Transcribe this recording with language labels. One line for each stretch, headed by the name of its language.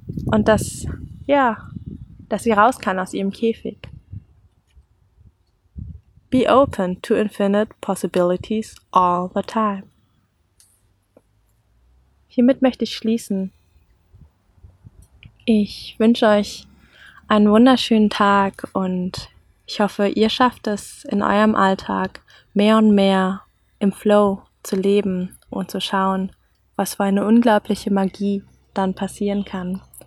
German: Und dass sie raus kann aus ihrem Käfig.
English: Be open to infinite possibilities all the time.
German: Hiermit möchte ich schließen. Ich wünsche euch einen wunderschönen Tag und ich hoffe, ihr schafft es in eurem Alltag mehr und mehr im Flow zu leben und zu schauen, was für eine unglaubliche Magie dann passieren kann.